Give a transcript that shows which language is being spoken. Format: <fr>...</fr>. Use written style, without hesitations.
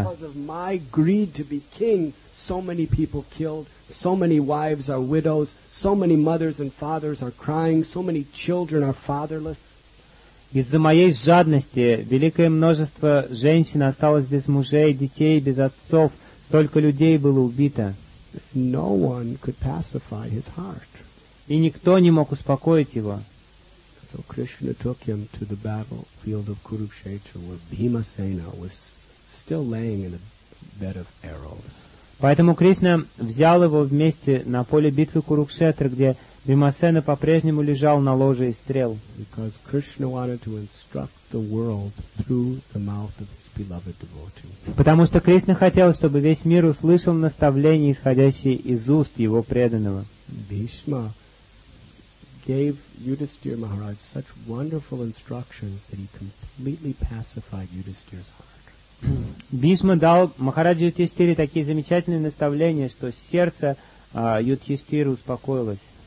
<en>Because of my greed to be king, so many people killed. So many wives are widows, so many mothers and fathers are crying, so many children are fatherless.</en> <ru>Из-за моей жадности великое множество женщин осталось без мужей, детей, без отцов, столько людей было убито.</ru> <en>No one could pacify his heart.</en> <ru>И никто не мог успокоить его.</ru> <en>So Krishna took him to the battlefield of Kurukshetra where Bhimasena was still laying in a bed of arrows.</en> <ru>Поэтому Кришна взял его вместе на поле битвы Курукшетра, где Бхимасена по-прежнему лежал на ложе из стрел.</ru> <en>Because Krishna wanted to instruct the world through the mouth of his beloved devotee.</en> <ru>Потому что Кришна хотел, чтобы весь мир услышал наставление, исходящее из уст его преданного.</ru> <en>Bhishma gave Yudhishthira Maharaj such wonderful instructions that he completely pacified Yudhishthira's heart.</en> <ru>Бхишма дал Махараджу Юдхиштхире такие замечательные наставления, что сердце Юдхиштхиры успокоилось.</ru>